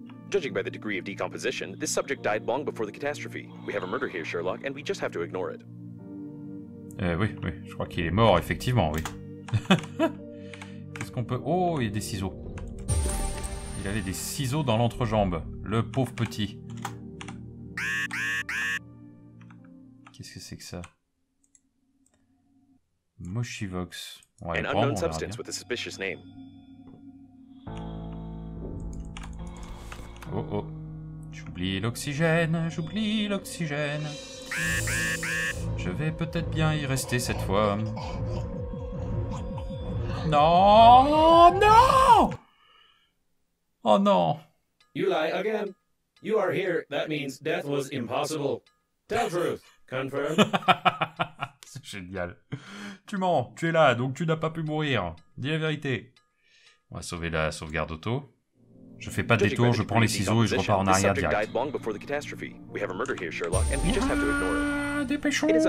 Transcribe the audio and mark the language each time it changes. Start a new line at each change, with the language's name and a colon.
English: Judging by the degree of decomposition, this subject died long before the catastrophe. We have a murder here, Sherlock, and we just have to ignore it.
French: Oui, oui, je crois qu'il est mort, effectivement, oui. Qu'est-ce qu'on peut... Oh, il y a des ciseaux. Il avait des ciseaux dans l'entrejambe, le pauvre petit. Qu'est-ce que c'est que ça?
English: Moshivox. An unknown substance with a suspicious name.
French: Oh oh, j'oublie l'oxygène, je vais peut-être bien y rester cette fois. Non, non. Oh non.
English: You lie again. You are here, that means death was impossible. Tell truth, confirm.
French: C'est génial. Tu mens, tu es là, donc tu n'as pas pu mourir. Dis la vérité. On va sauver la sauvegarde auto. Je fais pas de détour, je prends les ciseaux et je repars en arrière direct. Ah, dépêchons.